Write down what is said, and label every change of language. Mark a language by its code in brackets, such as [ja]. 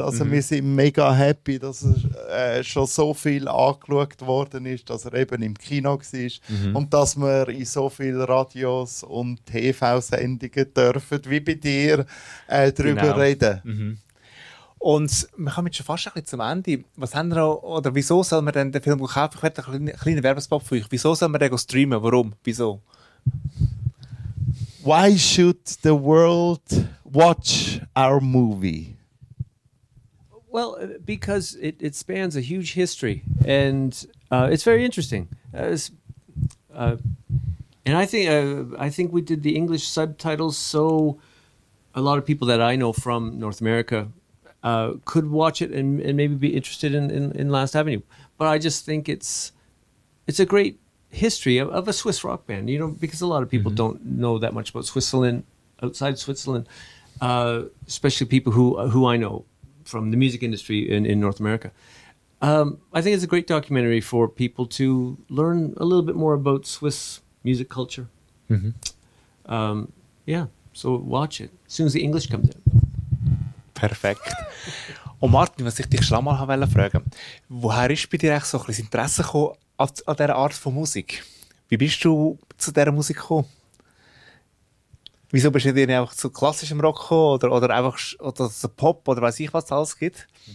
[de] Also wir sind mega happy, dass er schon so viel angeschaut worden ist, dass er eben im Kino war und dass wir in so vielen Radios und TV-Sendungen dürfen, wie bei dir, darüber reden. Und wir kommen jetzt schon fast ein bisschen zum Ende. Was haben wir oder wieso soll man denn den Film kaufen? Ich hätte einen kleinen Werbespot für euch. Wieso soll man den streamen? Warum? Wieso? [en] Why should the world watch our movie? Well, because it spans a huge history. And it's very interesting. And I think we did the English subtitles so a lot of people that I know from North America could watch it and maybe be interested in Last Avenue. But I just think it's a great history of a Swiss rock band, you know, because a lot of people don't know that much about Switzerland, outside Switzerland, especially people who I know from the music industry in North America. I think it's a great documentary for people to learn a little bit more about Swiss music culture. So watch it as soon as the English comes in. [de] Perfekt. Und Martin, was ich dich schon mal haben fragen, woher ist bei dir so ein Interesse an dieser Art von Musik? Wie bist du zu dieser Musik gekommen? Wieso bist du nicht einfach zu klassischem Rock gekommen oder zu Pop oder weiß ich, was es alles gibt?